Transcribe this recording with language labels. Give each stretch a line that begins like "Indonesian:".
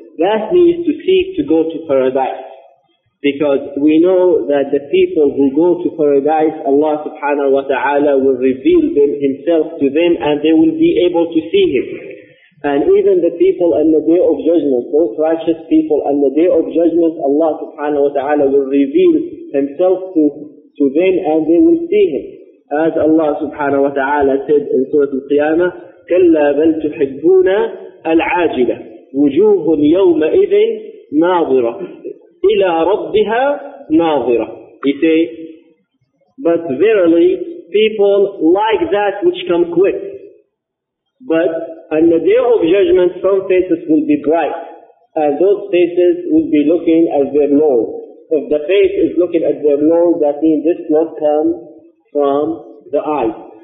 English: That means to seek to go to paradise. Because we know that the people who go to paradise, Allah subhanahu wa ta'ala will reveal them, Himself to them, and they will be able to see Him. And even the people on the Day of Judgment, those righteous people on the Day of Judgment, Allah subhanahu wa ta'ala will reveal Himself to them, and they will see Him. As Allah subhanahu wa ta'ala said in Surah Al-Qiyamah,
Arabic: كَلَّا بَلْ تُحِبُّونَ الْعَاجِلَةِ وُجُوهٌ يَوْمَئِذٍ نَاظِرَةٌ إِلَىٰ رَبِّهَا نَاظِرَةٌ.
English: He say, but verily, people like that which come quick. But on the Day of Judgment, some faces will be bright, and those faces will be looking at their Lord. If the face is looking at their Lord, that means this must come from the eyes.